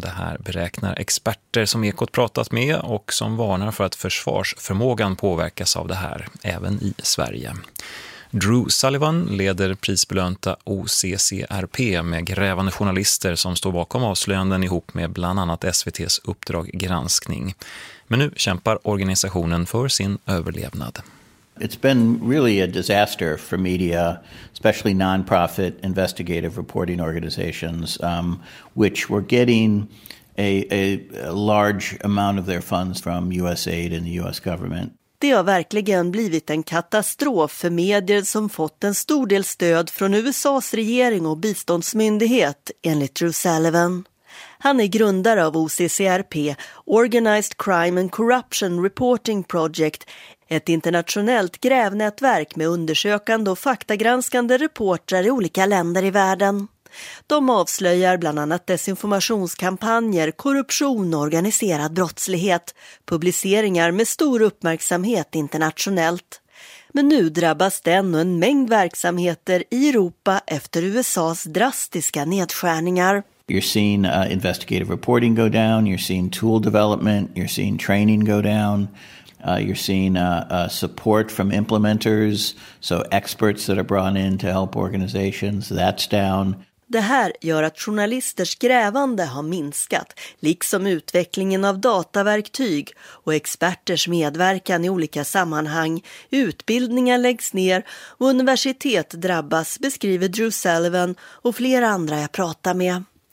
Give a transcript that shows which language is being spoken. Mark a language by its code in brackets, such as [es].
[sv] Det här beräknar experter som Ekot pratat med och som varnar för att försvarsförmågan påverkas av det här, även i Sverige. Drew Sullivan leder prisbelönta OCCRP med grävande journalister som står bakom avslöjanden ihop med bland annat SVTs uppdraggranskning. Men nu kämpar organisationen för sin överlevnad. [en] It's been really a disaster for media, especially non-profit investigative reporting organizations, which were getting a large amount of their funds from USAID and the US government. [sv] Det har verkligen blivit en katastrof för medier som fått en stor del stöd från USAs regering och biståndsmyndighet, enligt Drew Sullivan. Han är grundare av OCCRP, Organized Crime and Corruption Reporting Project, ett internationellt grävnätverk med undersökande och faktagranskande reportrar i olika länder i världen. De avslöjar bland annat desinformationskampanjer, korruption och organiserad brottslighet, publiceringar med stor uppmärksamhet internationellt. Men nu drabbas den och en mängd verksamheter i Europa efter USA:s drastiska nedskärningar. [en] You're seeing investigative reporting go down, you're seeing tool development, you're seeing training go down. You're seeing support from implementers, so experts that are brought in to help organizations, that's down. [sv] Det här gör att journalisters grävande har minskat, liksom utvecklingen av dataverktyg och experters medverkan i olika sammanhang. Utbildningar läggs ner och universitet drabbas, beskriver Drew Sullivan och flera andra jag pratar med.